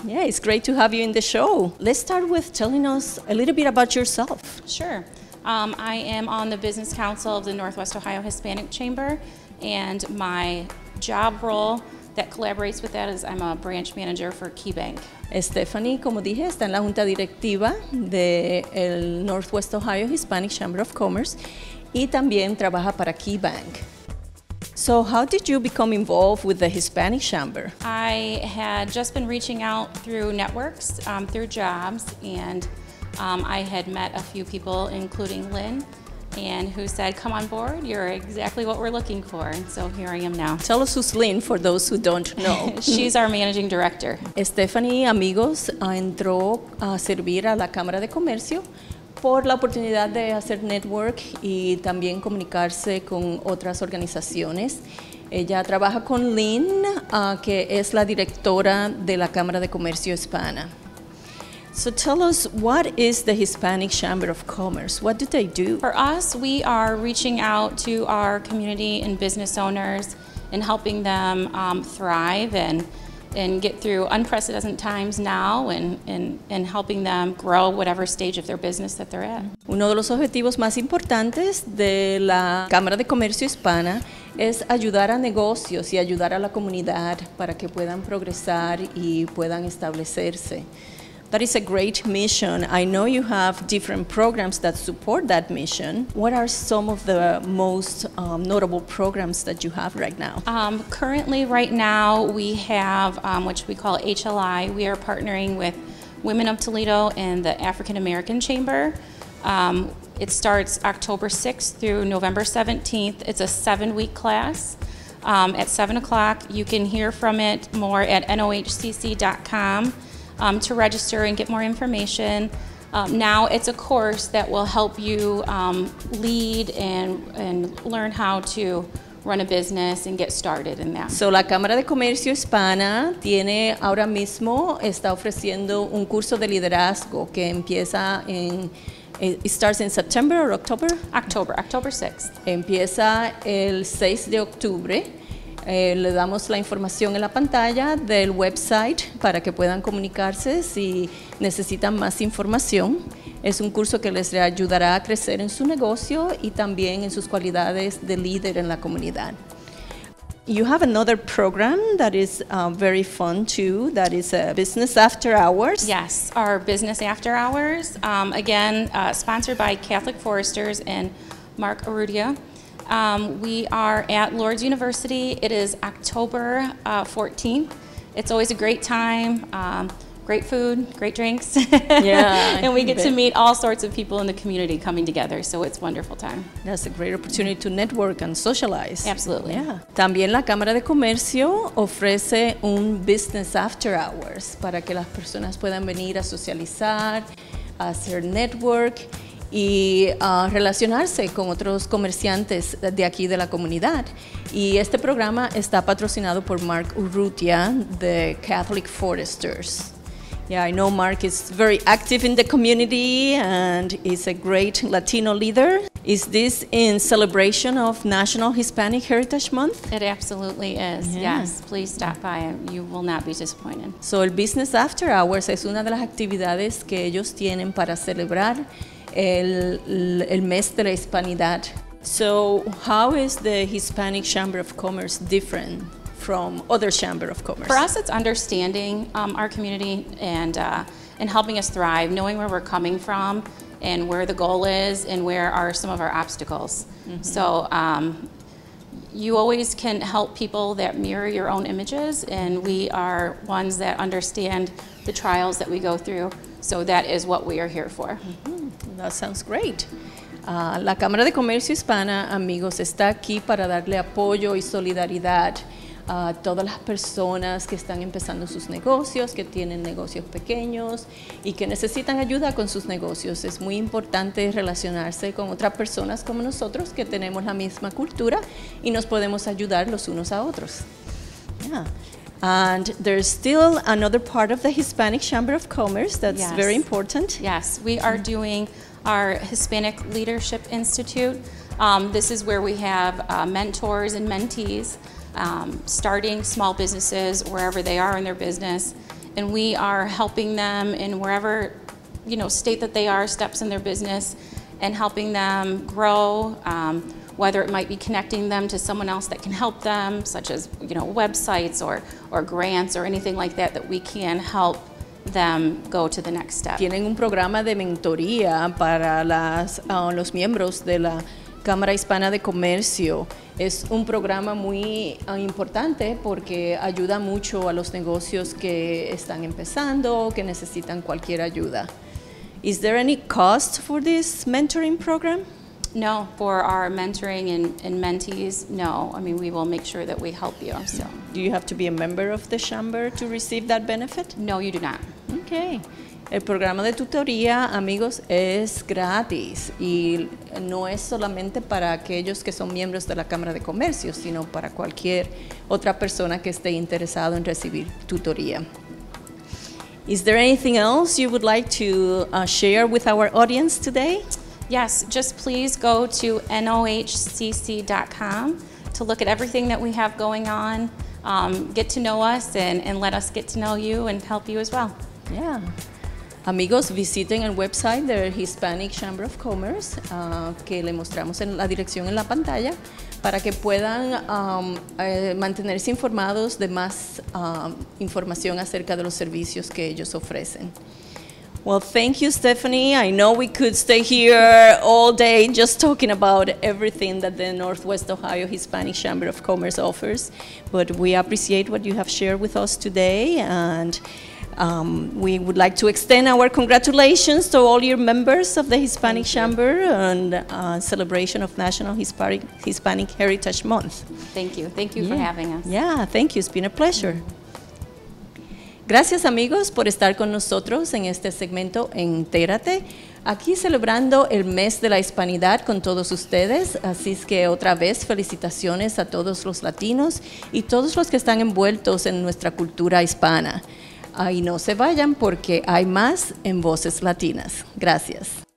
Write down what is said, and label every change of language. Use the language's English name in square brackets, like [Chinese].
[English] Yeah, it's great to have you in the show. Let's start with telling us a little bit about yourself. Sure. I am on the Business Council of the Northwest Ohio Hispanic Chamber, and my job role that collaborates with that is I'm a branch manager for KeyBank. [Spanish] Stephanie, como dije, está en la Junta Directiva del Northwest Ohio Hispanic Chamber of Commerce y también trabaja para KeyBank. [English] So how did you become involved with the Hispanic Chamber? I had just been reaching out through networks, through jobs, and I had met a few people, including Lynn, and who said, come on board, you're exactly what we're looking for. And so here I am now. Tell us who's Lynn for those who don't know. She's our managing director. [Spanish] Stephanie, amigos, entró a servir a la Cámara de Comercio por la oportunidad de hacer network y también comunicarse con otras organizaciones. Ella trabaja con Lynn, que es la directora de la Cámara de Comercio Hispana. [English] So tell us, what is the Hispanic Chamber of Commerce? What do they do? For us, we are reaching out to our community and business owners and helping them thrive and get through unprecedented times now and helping them grow whatever stage of their business that they're at. Uno de los objetivos más importantes de la Cámara de Comercio Hispana es ayudar a negocios y ayudar a la comunidad para que puedan progresar y puedan establecerse. That is a great mission. I know you have different programs that support that mission. What are some of the most notable programs that you have right now? Currently, right now, we have, which we call HLI, we are partnering with Women of Toledo and the African American Chamber. It starts October 6th through November 17th. It's a 7-week class. At 7 o'clock, you can hear from it more at nohcc.com. To register and get more information. Now it's a course that will help you lead and learn how to run a business and get started in that. [Spanish] So la Cámara de Comercio Hispana tiene ahora mismo, está ofreciendo un curso de liderazgo que empieza en, [English] it starts in September or October? October, October 6th. [Spanish] Empieza el 6 de octubre. Le damos la información en la pantalla del website para que puedan comunicarse si necesitan más información. Es un curso que les ayudará a crecer en su negocio y también en sus cualidades de líder en la comunidad. [English] You have another program that is very fun too, that is Business After Hours. Yes, our Business After Hours, again, sponsored by Catholic Foresters and Mark Arrudia. We are at Lord's University. It is October 14th. It's always a great time, great food, great drinks. Yeah. And we get to meet all sorts of people in the community coming together, so it's a wonderful time. That's a great opportunity to network and socialize. Absolutely. Yeah. [Spanish] También la Cámara de Comercio ofrece un business after hours para que las personas puedan venir a socializar, a hacer network y relacionarse con otros comerciantes de aquí de la comunidad. Y este programa está patrocinado por Mark Urrutia, de Catholic Foresters. [English] Yeah, I know Mark is very active in the community and is a great Latino leader. Is this in celebration of National Hispanic Heritage Month? It absolutely is, yes. Please stop by, you will not be disappointed. [Spanish] So el Business After Hours es una de las actividades que ellos tienen para celebrar el mes de la Hispanidad. [English] So how is the Hispanic Chamber of Commerce different from other Chamber of Commerce? For us, it's understanding our community and helping us thrive, knowing where we're coming from, and where the goal is, and where are some of our obstacles. Mm-hmm. So you always can help people that mirror your own images, and we are ones that understand the trials that we go through. So that is what we are here for. Mm-hmm. That sounds great. [Spanish] La Cámara de Comercio Hispana, amigos, está aquí para darle apoyo y solidaridad a todas las personas que están empezando sus negocios, que tienen negocios pequeños y que necesitan ayuda con sus negocios. Es muy importante relacionarse con otras personas como nosotros que tenemos la misma cultura y nos podemos ayudar los unos a otros. [English] Yeah. And there's still another part of the Hispanic Chamber of Commerce that's very important. Yes, we are doing our Hispanic Leadership Institute. This is where we have mentors and mentees starting small businesses wherever they are in their business, and we are helping them in wherever, you know, state that they are, steps in their business, and helping them grow, whether it might be connecting them to someone else that can help them, such as, you know, websites or grants or anything like that, that we can help them go to the next step. [Spanish] Tienen un programa de mentoría para las los miembros de la Cámara Hispana de Comercio. Es un programa muy importante porque ayuda mucho a los negocios que están empezando o que necesitan cualquier ayuda. [English] Is there any cost for this mentoring program? No, for our mentoring and mentees, no. I mean, we will make sure that we help you. So. Do you have to be a member of the chamber to receive that benefit? No, you do not. Okay. [Spanish] El programa de tutoría, amigos, es gratis y no es solamente para aquellos que son miembros de la Cámara de Comercio, sino para cualquier otra persona que esté interesado en recibir tutoría. [English] Is there anything else you would like to share with our audience today? Yes, just please go to nohcc.com to look at everything that we have going on, get to know us and let us get to know you and help you as well. Yeah. [Spanish] Amigos, visiten el website de Hispanic Chamber of Commerce, que le mostramos en la dirección en la pantalla, para que puedan mantenerse informados de más información acerca de los servicios que ellos ofrecen. [English] Well, thank you, Stephanie. I know we could stay here all day just talking about everything that the Northwest Ohio Hispanic Chamber of Commerce offers, but we appreciate what you have shared with us today, and we would like to extend our congratulations to all your members of the Hispanic Chamber on celebration of National Hispanic Heritage Month. Thank you. Thank you for having us. Yeah, thank you. It's been a pleasure. [Spanish] Gracias, amigos, por estar con nosotros en este segmento Entérate, aquí celebrando el mes de la Hispanidad con todos ustedes. Así es que otra vez, felicitaciones a todos los latinos y todos los que están envueltos en nuestra cultura hispana. Ahí no se vayan porque hay más en Voces Latinas. Gracias.